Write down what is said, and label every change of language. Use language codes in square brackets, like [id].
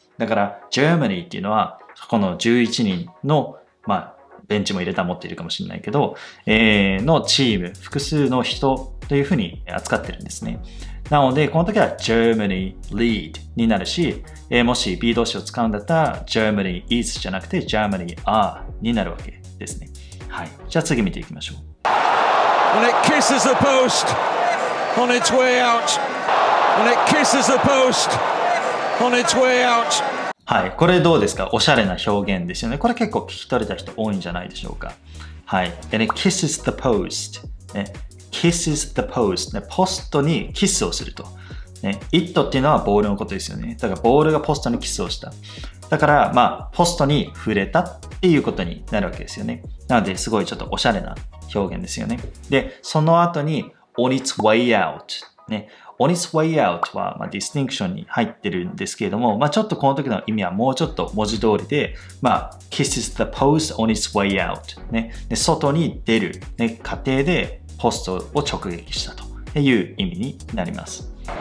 [ja] だから Germany っていうのはこの11人の、まあベンチも入れた持っているかもしれないけど、のチーム、複数の人というふうに扱ってるんですね。なので、この時は Germany lead になるし、もし B 動詞を使うんだったら Germany is じゃなくて Germany are になるわけですね。はい。じゃあ次見ていきましょう。 [en] When it kisses the post on its way out. When it kisses the post on its way out. [ja] はい。これどうですか？おしゃれな表現ですよね。これ結構聞き取れた人多いんじゃないでしょうか。はい。 [en] でね、kisses the post。ね、kisses the post。 [ja] ね、ポストにキスをすると。ね、it っていうのはボールのことですよね。だからボールがポストにキスをした。だから、まあ、ポストに触れたっていうことになるわけですよね。なので、すごいちょっとおしゃれな表現ですよね。で、その後に on its way out。ね、On its way out は、まあ、ディスティンクションに入ってるんですけれども、まあ、ちょっとこの時の意味はもうちょっと文字通りで、まあ、 kisses the post on its way out、ね、で外に出る、ね、過程でポストを直撃したという意味になります。